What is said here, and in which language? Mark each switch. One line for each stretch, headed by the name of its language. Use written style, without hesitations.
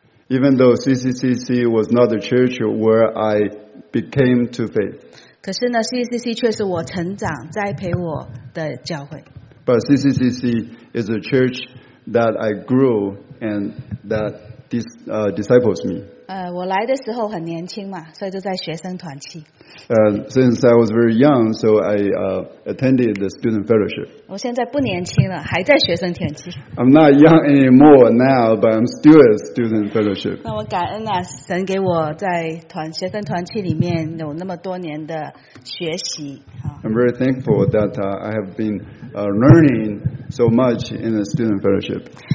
English: Even though CCCC was not the church where I became to faith.
Chinese: 可是呢 ，CCCC 却是我成长、栽培我的教会。
English: But CCCC is a church that I grew and that disciples me.
Chinese: 我来的时候很年轻嘛，所以就在学生团契。
English: Since I was very young, so I attended the student fellowship.
Chinese: 我现在不年轻了，还在学生团契。
English: I'm not young anymore now, but I'm still a student fellowship.
Chinese: 那我感恩啊，神给我在学生团契里面有那么多年的学习。
English: I'm very thankful that I have been learning so much in the student fellowship.